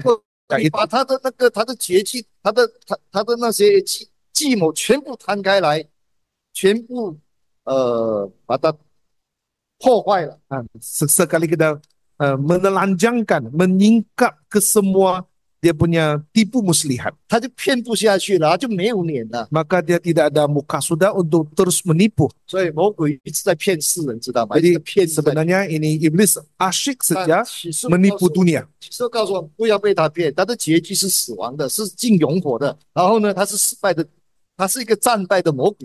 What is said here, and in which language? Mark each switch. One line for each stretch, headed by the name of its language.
Chinese: 结果你把他的那个他的绝技，他的那些计谋全部摊开来，全部把它破坏了。
Malay: Sekali kita menelanjangkan, menyingkap ke semua dia punya tipu muslihat.
Chinese: 他就骗不下去了, 他就没有脸了。
Malay: Maka dia tidak ada muka sudah untuk terus menipu.
Chinese: 所以魔鬼一直在骗世人, 知道吗?
Malay: Jadi
Chinese: 一直在骗,一直在骗。
Malay: sebenarnya ini iblis asyik saja menipu
Chinese: 他起诉告诉,
Malay: dunia.
Chinese: 起诉告诉我, 不要被他骗, 他的结局是死亡的, 是进永火的, 然后呢, 他是失败的, 他是一个战败的魔鬼。